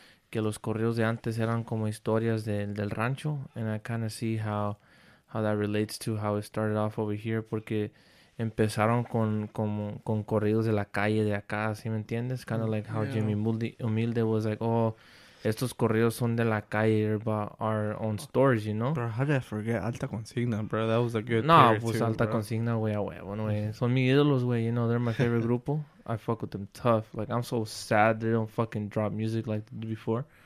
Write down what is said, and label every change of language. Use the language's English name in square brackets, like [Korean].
[Spanish] Que los corridos de antes eran como historias del rancho. [English] And I kind of see how that relates to how it started off over here. [Spanish] Porque empezaron con corridos de la calle de acá, ¿sí me entiendes? [English] Kind of like how, yeah. Jimmy Humilde was like, oh, [Spanish] estos corridos son de la calle, [English] but our own stories, you know? Bro, how did I forget Alta Consigna, bro? That was a good [Spanish] pues too, Alta bro. Consigna, güey, a huevo, güey. Son mis ídolos, güey, [English] you know, they're my favorite grupo. I fuck with them tough. Like, I'm so sad they don't fucking drop music like they did before.